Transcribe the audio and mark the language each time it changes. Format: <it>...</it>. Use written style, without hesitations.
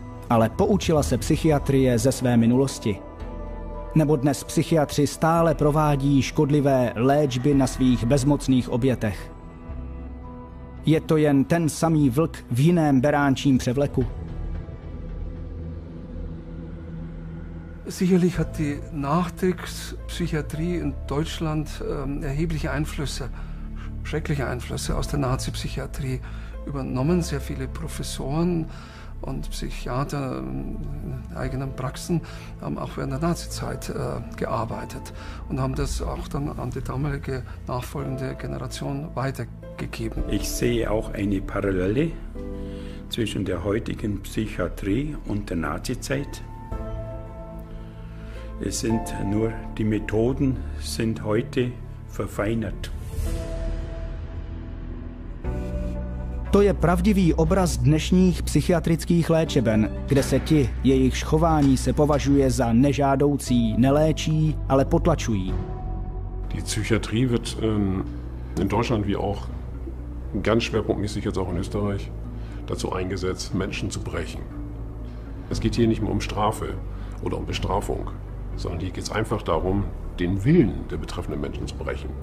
<cs>Ale poučila se psychiatrie ze své minulosti. Nebo dnes psychiatři stále provádí škodlivé léčby na svých bezmocných obětech. Je to jen ten samý vlk v jiném beránčím převleku.</cs> <de>Sicherlich hat die Nachkriegspsychiatrie in Deutschland erhebliche Einflüsse, schreckliche Einflüsse aus der Nazi-Psychiatrie übernommen. Sehr viele Professoren und Psychiater in eigenen Praxen haben auch während der Nazi-Zeit gearbeitet und haben das auch dann an die damalige nachfolgende Generation weitergegeben. Ich sehe auch eine Parallele zwischen der heutigen Psychiatrie und der Nazi-Zeit. Es sind nur, die Methoden sind heute verfeinert.</de> <cs>To je pravdivý obraz dnešních psychiatrických léčeben, kde se ti, jejichž chování se považuje za nežádoucí, neléčí, ale potlačují.</cs> <de>Die Psychiatrie wird in Deutschland wie auch ganz schwerpunktmäßig jetzt auch in Österreich dazu eingesetzt, Menschen zu brechen. Es geht hier nicht mehr um Strafe oder um Bestrafung, sondern hier geht es einfach darum, den Willen der betreffenden Menschen zu brechen.</de>